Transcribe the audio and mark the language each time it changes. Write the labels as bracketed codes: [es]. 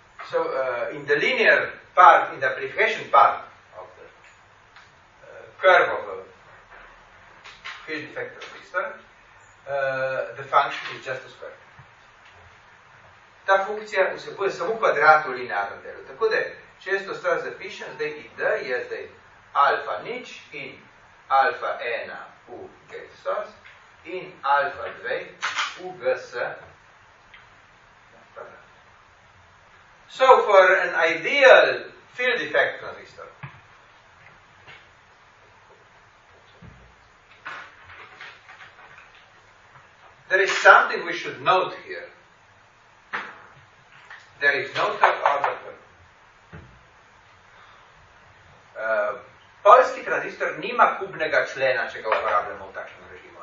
[en] So in the linear part, in the application part of the curve of a field effect transistor, the function is just a square. [sl] Ta funkcija vsebuje samo kvadrat v linearnem delu. Tako da, če jaz to stvar zapišem, zdaj id je zdaj alfa nič in alfa ena u gate source in alfa dve u gs. [en] So, for an ideal field effect transistor, there is something we should note here. There is no top order curve. [sl] Polski transistor nima kubnega člena, če ga uporabljamo v takšnem režimu.